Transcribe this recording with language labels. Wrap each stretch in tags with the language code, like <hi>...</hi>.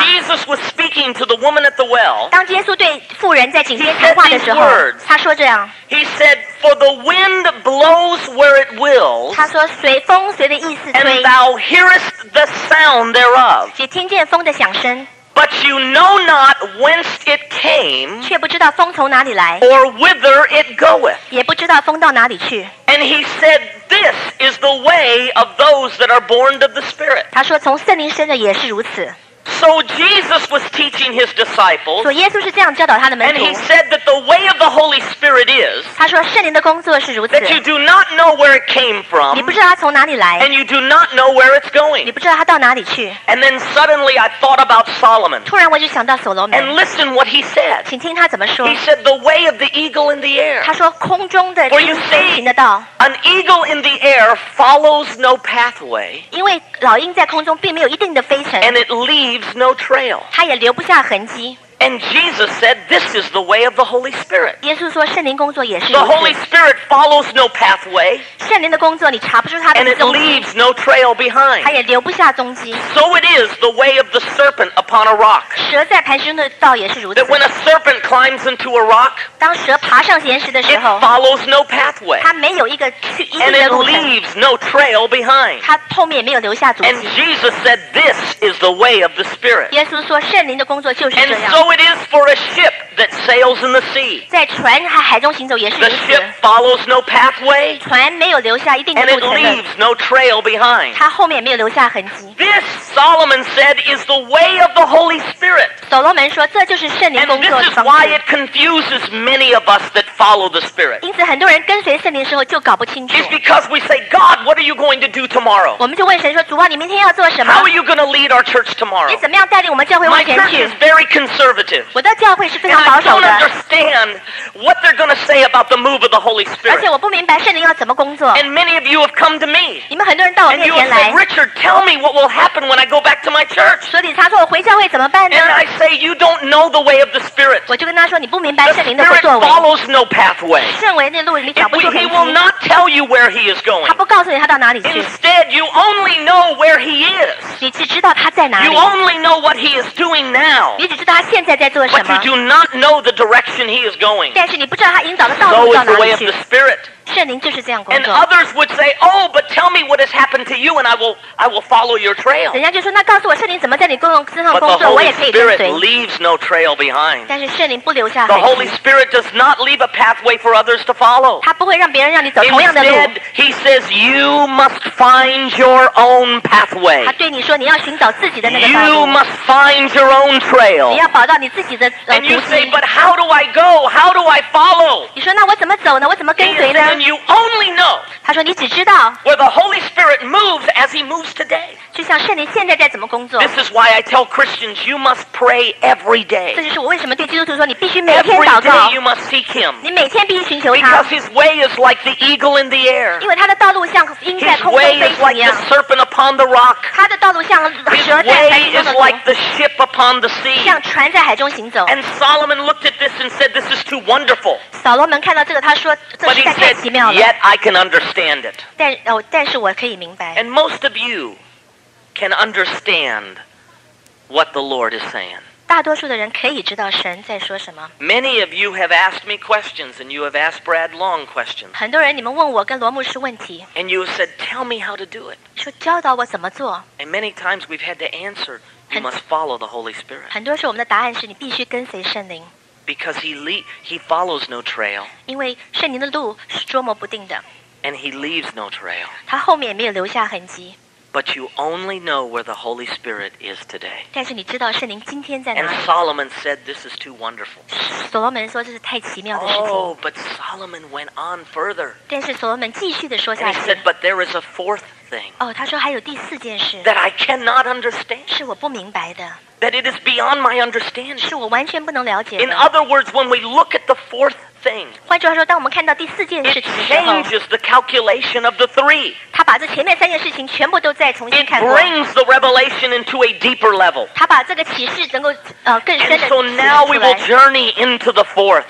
<en>When Jesus was speaking to the woman at the well,</en> <zh>当耶稣对妇人在井边谈话的时候，</zh> <en>He said these words.</en> <zh>他说这样。</zh> <en>He said, "For the wind blows where it will."</en> <zh>他说随风随的意思吹。</zh> <en>And thou hearest the sound thereof.</en> <zh>只听见风的响声。</zh> <en>But you know not whence it came,</en> <zh>却不知道风从哪里来,</zh> <en>or whither it goeth.</en> <zh>也不知道风到哪里去。</zh> <en>And he said, "This is the way of those that are born of the Spirit."</en> <zh>他说从圣灵生的也是如此。</zh> <en>So Jesus was teaching his disciples.</en> <zh>所以耶稣是这样教导他的门徒。</zh> <en>And he said that the way of the Holy Spirit is.</en> <zh>他说圣灵的工作是如此。</zh> <en>That you do not know where it came from.</en> <zh>你不知道它从哪里来。</zh> <en>And you do not know where it's going.</en> <zh>你不知道它到哪里去。</zh> <en>And then suddenly I thought about Solomon.</en> <zh>突然我就想到所罗门。</zh> <en>And listen what he said.</en> <zh>请听他怎么说。</zh> <en>He said the way of the eagle in the air.</en> <zh>他说空中的鹰飞行的道。</zh> <en>For you see, an eagle in the air follows no pathway.</en> <zh>因为老鹰在空中并没有一定的飞程。</zh> <en>And it leaves. No trail.</en> <zh>他也留不下痕迹。</zh> <en>And Jesus said, "This is the way of the Holy Spirit."</en> <zh>耶稣说，圣灵工作也是。</zh> <en>The Holy Spirit follows no pathway.</en> <zh>圣灵的工作，你查不出他的踪迹。</zh> <en>And it leaves no trail behind.</en> <zh>他也留不下踪迹。</zh> <en>So it is the way of the serpent upon a rock.</en> <zh>蛇在磐石的道也是如此。</zh> <en>That when a serpent climbs into a rock,</en> <zh>当蛇爬上岩石的时候，</zh> <en>it follows no pathway.</en> <zh>它没有一个去一定的路程。</zh> <en>And it leaves no trail behind.</en> <zh>它后面也没有留下足迹。</zh> <en>And Jesus said, "This is the way of the Spirit."</en> <zh>耶稣说，圣灵的工作就是这样。</zh> <en>So it is for a ship that sails in the sea.</en> <zh>在船和海中行走也是如此。</zh> <en>The ship follows no pathway.</en> <zh>船没有留下一定的路程。</zh> <en>And it leaves no trail behind.</en> <zh>它后面也没有留下痕迹。</zh> <en>This, Solomon said, is the way of the Holy Spirit.</en> <zh>所罗门说这就是圣灵工作的方式。</zh> <en>And this is why it confuses many of us that follow the Spirit.</en> <zh>因此很多人跟随圣灵的时候就搞不清楚。</zh> <en>It's because we say, God, what are you going to do tomorrow?</en> <zh>我们就问神说主啊你明天要做什么</zh> <en>How are you going to lead our church tomorrow?</en> <zh>你怎么样带领我们教会往前去</zh> <en>My church is very conservative.</en> <zh>我的教会是非常保守的。</zh> <en>And I don't understand what they're going to say about the move of the Holy Spirit.</en> <zh>而且我不明白圣灵要怎么工作。</zh> <en>And many of you have come to me.</en> <zh>你们很多人到我面前来。</zh> <en>And you have said, Richard, tell me what will happen when I go back to my church.</en> <zh>所以他说我回教会怎么办呢</zh> <en>And I say, you don't know the way of the Spirit.</en> <zh>我就跟他说你不明白圣灵的作为。</zh> <en>The Spirit follows no pathway.</en> <zh>圣灵的路你找不出痕迹。</zh> <en>He will not tell you where he is going.</en> <zh>他不告诉你他到哪里去。</zh> <en>Instead, you only know where he is.</en> <zh>你只知道他在哪里。</zh> <en>You only know what he is doing now.</en> <zh>你只知道他现在在做什么。</zh> <en>But you do not know the direction he is going.</en> <zh>但是你不知道他引导的道路到哪里去。</zh> <en>So is the way of the Spirit.</en> <zh>圣灵就是这样工作。</zh> <en>And others would say, "Oh, but tell me what has happened to you, and I will follow your trail."</en> <zh>人家就说，那告诉我圣灵怎么在你身上工作，我也可以跟随。</zh> <en>But the Holy Spirit leaves no trail behind.</en> <zh>但是圣灵不留下痕迹。</zh> <en>The Holy Spirit does not leave a pathway for others to follow.</en> <zh>他不会让别人让你走同样的路。</zh> <en>Instead, he says, "You must find your own pathway."</en> <zh>他对你说，你要寻找自己的那个道路。</zh> <en>You must find your own trail.</en> <zh>你要找到你自己的。</zh> <en>And you say, "But how do I go? How do I follow?"</en> <zh>你说，那我怎么走呢？我怎么跟随呢？</zh> <en>And you only know.</en> <zh>他说你只知道</zh> <en>where the Holy Spirit moves as He moves today.</en> <zh>就像圣灵现在在怎么工作。</zh> <en>This is why I tell Christians you must pray every day.</en> <zh>这就是我为什么对基督徒说你必须每天祷告。</zh> <en>Every day you must seek Him.</en> <zh>你每天必须寻求他。</zh> <en>Because His way is like the eagle in the air.</en> <zh>因为他的道路像鹰在空中飞行一样。</zh> <en>His way is like the serpent upon the rock.</en> <zh>他的道路像蛇在海中的龙。</zh> <en>His way is like the ship upon the sea.</en> <zh>像船在海中行走。</zh> <en>And Solomon looked at this and said, "This is too wonderful."</en> <zh>扫罗门看到这个，他说这实在太。</zh> <en>Yet I can understand it.</en> <zh>但是我可以明白。</zh> <en>And most of you can understand what the Lord is saying.</en> <zh>大多数的人可以知道神在说什么。</zh> <en>Many of you have asked me questions, and you have asked Brad Long questions.</en> <zh>很多人你们问我跟罗牧师问题。</zh> <en>And you have said, "Tell me how to do it."</en> <zh>说教导我怎么做。</zh> <en>And many times we've had to answer, "You must follow the Holy Spirit."</en> <zh>很多时候我们的答案是你必须跟随圣灵。</zh> <en>Because he follows no trail.</en> <zh>因为圣灵的路是捉摸不定的。</zh> <en>And he leaves no trail.</en> <zh>他后面也没有留下痕迹。</zh> <en>But you only know where the Holy Spirit is today.</en> <zh>但是你知道圣灵今天在哪里。</zh> <en>And Solomon said, "This is too wonderful."</en> <zh>所罗门说这是太奇妙的事情。</zh> <en>Oh, but Solomon went on further.</en> <zh>但是所罗门继续地说下去。</zh> <en>And he said, "But there is a fourth thing."</en> <zh>哦，他说还有第四件事。</zh> <en>That I cannot understand.</en> <zh>是我不明白的。</zh> <en>That it is beyond my understanding.</en> <zh>是我完全不能了解的。</zh> <en>In other words, when we look at the fourth thing,</en> <zh>换句话说，当我们看到第四件事情的时候，</zh> <en>it changes the calculation of the three.</en> <zh>他把这前面三件事情全部都再重新看过。</zh> <en>It brings the revelation into a deeper level.</en> <zh>他把这个启示能够更深的。</zh> <en>And so now we will journey into the fourth.</en>